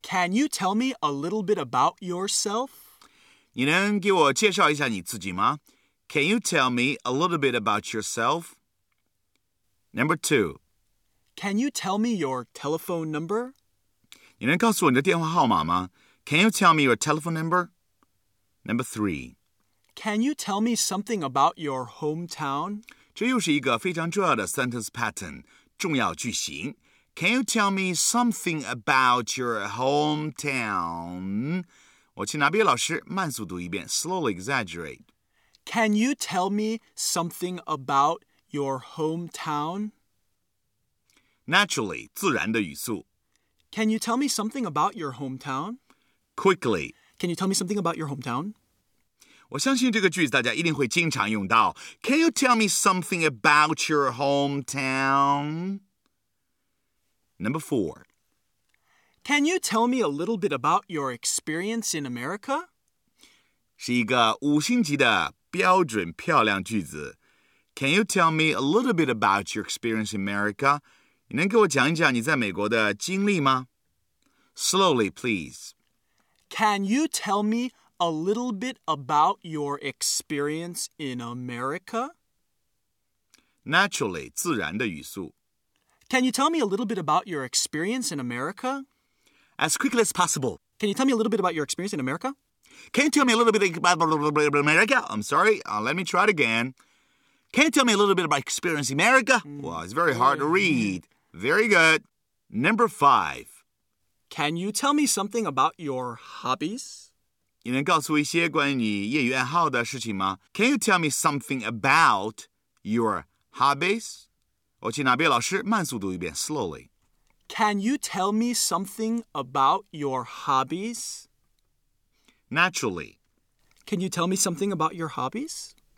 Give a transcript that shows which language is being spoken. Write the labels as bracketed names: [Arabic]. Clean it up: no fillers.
[English] Can you tell me a little bit about yourself? [Chinese] 你能给我介绍一下你自己吗? [English] Can you tell me a little bit about yourself? Number 2. Can you tell me your telephone number? [Chinese] 你能告诉我你的电话号码吗? [English] Can you tell me your telephone number? Number 3. Can you tell me something about your hometown? [Chinese] 这又是一个非常重要的 [English] sentence pattern, [Chinese] 重要句型。 [English] Can you tell me something about your hometown? [Chinese] 我请娜比老师慢速读一遍 [English] slowly exaggerate. Can you tell me something about your hometown? Naturally, [Chinese] 自然的语速 [English] Can you tell me something about your hometown? Quickly. Can you tell me something about your hometown? [Chinese] 我相信这个句子大家一定会经常用到 [English] Can you tell me something about your hometown? Number 4. Can you tell me a little bit about your experience in America? [Chinese] 是一个五星级的标准漂亮句子。 [English] Can you tell me a little bit about your experience in America? [Chinese] 你能给我讲一讲你在美国的经历吗? [English] Slowly, please. Can you tell me a little bit about your experience in America? Naturally, [Chinese] 自然的语速。 [English] Can you tell me a little bit about your experience in America? As quickly as possible. Can you tell me a little bit about your experience in America? Can you tell me a little bit about America? I'm sorry, let me try it again. Can you tell me a little bit about experience in America? Well, it's very hard to read. Very good. Number five. Can you tell me something about your hobbies? [Chinese] 你能告诉一些关于业余爱好的事情吗? [English] Can you tell me something about your hobbies? [Chinese] 我请哪位老师慢速读一遍 [English] slowly. Can you tell me something about your hobbies? Naturally. Can you tell me something about your hobbies?